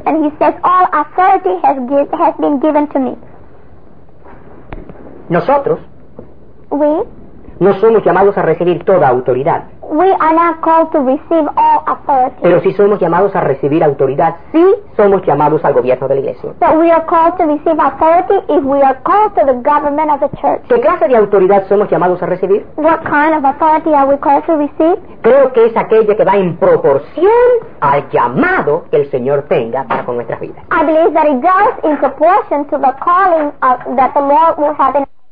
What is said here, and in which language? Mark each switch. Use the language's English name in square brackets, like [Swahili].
[English] And he says, all authority has been given to me. [Spanish] Nosotros. [English] We. [Spanish] No somos llamados a recibir toda autoridad. [English] We are not called to receive all authority. [Spanish] Pero si somos llamados a recibir autoridad, sí somos llamados al gobierno de la iglesia. [English] But we are called to receive authority if we are called to the government of the church. [Spanish] ¿Qué clase de autoridad somos llamados a recibir? [English] What kind of authority are we called to receive? [Spanish] Creo que es aquella que va en proporción al llamado que el Señor tenga para con nuestras vidas. [English] I believe that it goes in proportion to the calling that the Lord will have in